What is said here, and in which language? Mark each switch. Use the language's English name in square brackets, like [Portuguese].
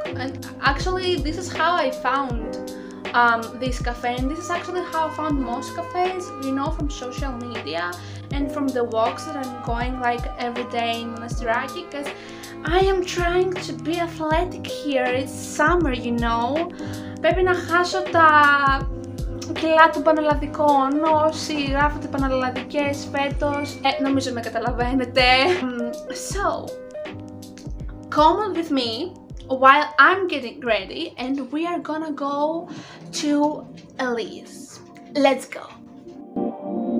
[English] And actually, this is how I found this cafe, and this is actually how I found most cafes, you know, from social media and from the walks that I'm going like every day in Monastiraki, because I am trying to be athletic here. It's summer, you know. [Greek] Πρέπει να χάσω τα κιλά των Πανελλαδικών. Όσοι γράφετε Πανελλαδικές φέτος, νομίζω με καταλαβαίνετε. [English] So, come on with me while I'm getting ready and we are gonna go to Ellyz. Let's go.